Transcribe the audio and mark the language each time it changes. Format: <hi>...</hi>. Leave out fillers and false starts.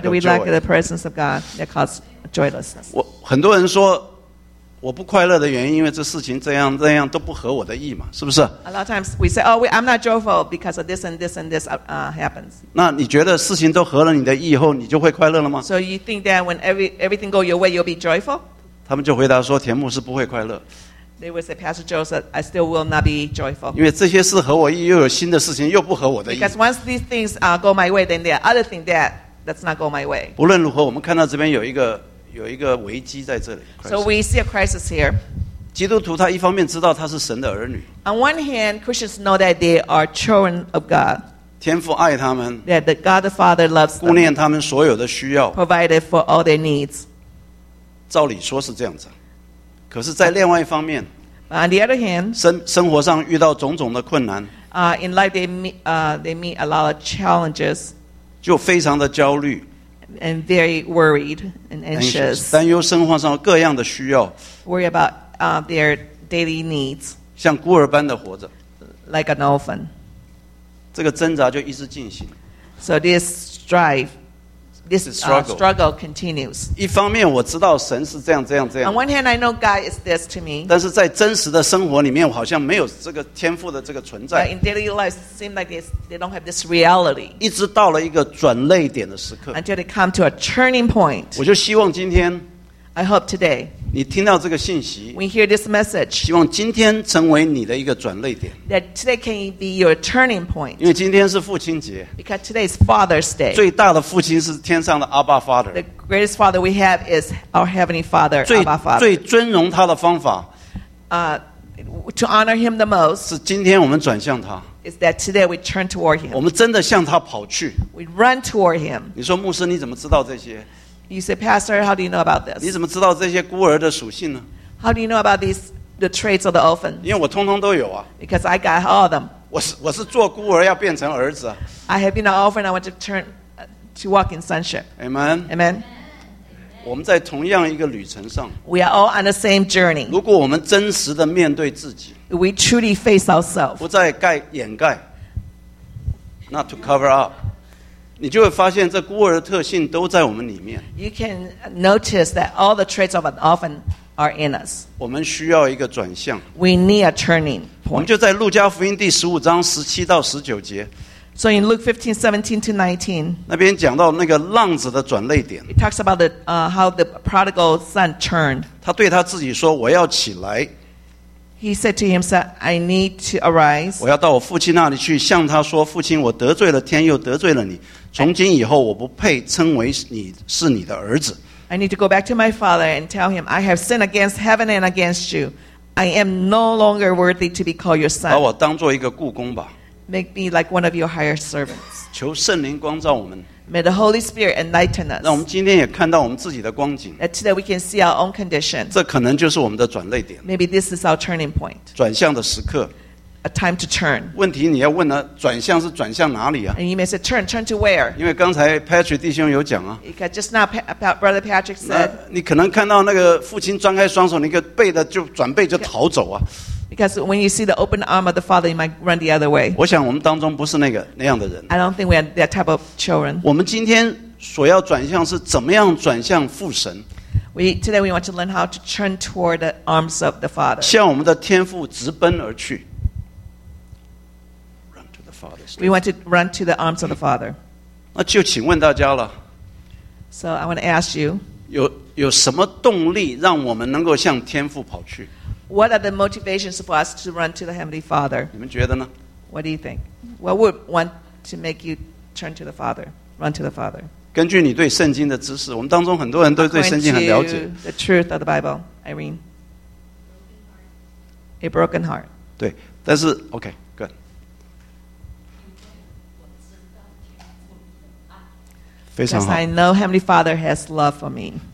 <en>do we lack the presence of God that causes joylessness?</en> <zh>很多人说我不快乐的原因因为这事情这样这样都不合我的意嘛, 是不是?</zh> <en>A lot of times we say, oh, I'm not joyful because of this and this and this happens.</en> <zh>那你觉得事情都合了你的意以后你就会快乐了吗?</zh> <en>So you think that when everything goes your way, you'll be joyful?</en> <zh>他们就回答说, 田牧师不会快乐。</zh> <en>They would say, Pastor Joseph, I still will not be joyful.</en> <zh>因为这些事合我意, 又有新的事情, 又不合我的意。</zh> <en>Because once these things go my way, then there are other things that does not go my way.</en> <zh>不论如何, 我们看到这边有一个危机在这里, crisis.</zh> <en>So we see a crisis here.</en> <zh>基督徒他一方面知道他是神的儿女。</zh> <en>On one hand, Christians know that they are children of God.</en> <zh>天父爱他们,</zh> <en>that the God the Father loves them.</en> <zh>顾念他们所有的需要,</zh> <en>provided for all their needs.</en> <zh>照理说是这样子。可是在另外一方面,</zh> <en>but on the other hand,</en> <zh>生活上遇到种种的困难,</zh> <en>in life they meet a lot of challenges,</en> <zh>就非常的焦虑,</zh> <en>and very worried and anxious,</en> <zh>担忧生活上各样的需要,</zh> <en>worry about their daily needs,</en> <zh>像孤儿般的活着,</zh> <en>like an orphan,</en> <zh>这个挣扎就一直进行,</zh> <en>so this strife struggle continues.</en> <zh>一方面我知道神是这样这样这样。</zh> <en>On one hand, I know God is this to me.</en> <zh>但是在真实的生活里面，我好像没有这个天父的这个存在。</zh> <en>But in daily lives, it seems like they don't have this reality.</en> <zh>一直到了一个转捩点的时刻。</zh> <en>Until they come to a turning point.</en> <zh>我就希望今天。</zh> <en>I hope today.</en> <zh>你听到这个信息。</zh> <en>We hear this message.</en> <zh>希望今天成为你的一个转捩点。</zh> <en>That today can be your turning point.</en> <zh>因为今天是父亲节。</zh> <en>Because today is Father's Day.</en> <zh>最大的父亲是天上的 Abba Father.</zh> <en>The greatest father we have is our heavenly Father, Abba Father.</en> <zh>最尊荣他的方法。</zh> <en>To honor him the most.</en> <zh>是今天我们转向他。</zh> <en>Is that today we turn toward him.</en> <zh>我们真的向他跑去。</zh> <en>We run toward him.</en> <zh>你说牧师你怎么知道这些？</zh> <en>You say, Pastor, how do you know about this?</en> <zh>你怎么知道这些孤儿的属性呢？</zh> <en>How do you know about these, the traits of the orphan?</en> <zh>因为我通通都有啊。</zh> <en>Because I got all of them.</en> <zh>我是做孤儿要变成儿子。</zh> <en>I have been an orphan, I want to turn, to walk in sonship. Amen. Amen.</en> <zh>我们在同样一个旅程上。</zh> <en>We are all on the same journey.</en> <zh>如果我们真实的面对自己。</zh> <en>We truly face ourselves.</en> <zh>不再盖掩盖。</zh> <en>Not to cover up.</en> <zh>你就会发现这孤儿的特性都在我们里面。</zh> <en>You can notice that all the traits of an orphan are in us.</en> <zh>我们需要一个转向。</zh> <en>We need a turning point.</en> <zh>我们就在路加福音第十五章十七到十九节。</zh> <en>So in Luke 15, 17 to 19.</en> <zh>那边讲到那个浪子的转捩点。</zh> <en>It talks about how the prodigal son turned.</en> <zh>他对他自己说我要起来。</zh> <en>He said to himself, I need to arise.</en> <zh>我要到我父亲那里去向他说父亲我得罪了天又得罪了你。从今以后我不配称为你是你的儿子。</zh> <en>I need to go back to my father and tell him, I have sinned against heaven and against you. I am no longer worthy to be called your son.</en> <zh>把我当作一个雇工吧。</zh> <en>Make me like one of your hired servants.</en> <zh>求圣灵光照我们。</zh> <en>May the Holy Spirit enlighten us.</en> <zh>让我们今天也看到我们自己的光景。</zh> <en>That today we can see our own condition.</en> <zh>这可能就是我们的转捩点。</zh> <en>Maybe this is our turning point.</en> <zh>转向的时刻。</zh> <en>A time to turn.</en> <zh>问题你要问呢，转向是转向哪里啊？</zh> <en>And you may say, turn to where?</en> <zh>因为刚才 Patrick 弟兄有讲啊。</zh> <en>Because just now, Brother Patrick said.</en> <zh>你可能看到那个父亲张开双手，那个背的就转背就逃走啊。</zh> <en>Because when you see the open arm of the father, you might run the other way.</en> <zh>我想我们当中不是那样的人。</zh> <en>I don't think we are that type of children.</en> <zh>我们今天所要转向是怎么样转向父神？</zh> <en>Today we want to learn how to turn toward the arms of the father.</en> <zh>向我们的天父直奔而去。</zh> <en>We want to run to the arms of the Father.</en> <zh>那就请问大家了。</zh> <en>So I want to ask you.</en> <zh>有什么动力让我们能够向天父跑去？</zh> <en>What are the motivations for us to run to the Heavenly Father?</en> <zh>你们觉得呢？</zh> <en>What do you think? What would want to make you turn to the Father? Run to the Father.</en> <zh>根据你对圣经的知识，我们当中很多人都对圣经很了解。</zh> <en>According to the truth of the Bible, Irene. A broken heart.</en> <zh>对，但是 OK。</zh> <en>Because I know Heavenly Father has love for me.</en>